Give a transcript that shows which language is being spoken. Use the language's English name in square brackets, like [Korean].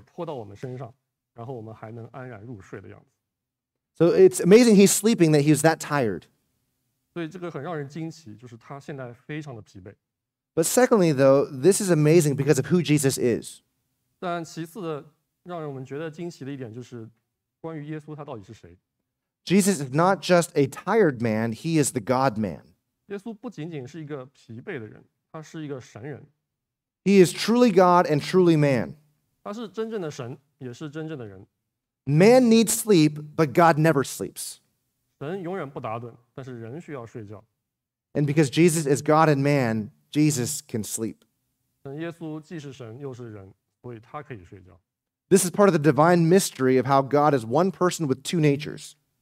[Chinese] 但现在耶稣做的事情就仿佛我们在坐过山车，然后有水泼到我们身上，然后我们还能安然入睡的样子。 [English] So it's amazing he's sleeping that he's that tired. [Chinese] 所以这个很让人惊奇，就是他现在非常的疲惫。 [English] But secondly, though, this is amazing because of who Jesus is. [Chinese] 但其次的让我们觉得惊奇的一点就是关于耶稣他到底是谁。 [English] Jesus is not just a tired man, he is the God-man. [Chinese] 耶稣不仅仅是一个疲惫的人，他是一个神人。 [English] He is truly God and truly man. [Chinese] 他是真正的神，也是真正的人。 [English] Man needs sleep, but God never sleeps. [Chinese] 神永远不打盹，但是人需要睡觉。 [English] And because Jesus is God and man, Jesus can sleep. [Chinese] 耶稣既是神又是人，所以他可以睡觉。 [English] This is part of the divine mystery of how God is one person with two natures.